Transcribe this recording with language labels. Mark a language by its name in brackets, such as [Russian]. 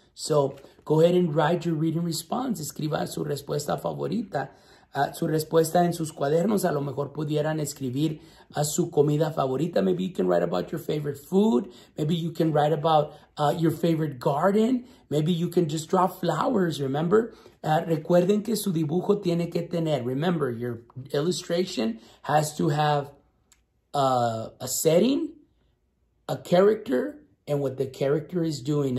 [English] So, go ahead and write your reading response. [Spanish] Escriba su respuesta favorita, su respuesta en sus cuadernos. A lo mejor pudieran escribir a su comida favorita. [English] Maybe you can write about your favorite food. Maybe you can write about your favorite garden. Maybe you can just draw flowers, remember? [Spanish] Recuerden que su dibujo tiene que tener, [English] remember, your illustration has to have a setting, a character, and what the character is doing.